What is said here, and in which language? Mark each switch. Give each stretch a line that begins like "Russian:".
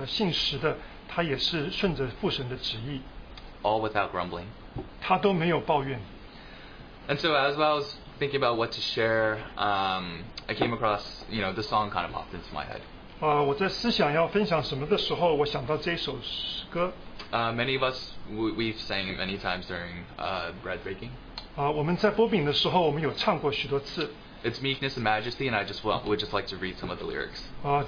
Chinese: 所以我们能够行在主耶稣他的脚中的当中，去他去过的地方，都提醒我，就是他如何是忠心的，他如何是信实的，他也是顺着父神的旨意。
English: All without grumbling.
Chinese: 他都没有抱怨。
English: And so as well as thinking about what to share, I came across, you know, this song kind of popped into my head.
Chinese: 我在思想要分享什么的时候，我想到这首诗歌。
English: Many of us, we've sang it many times during bread breaking.
Chinese: 我们在擘饼的时候，我们有唱过许多次。
English: It's meekness and majesty, and I just would just like to read some of the lyrics.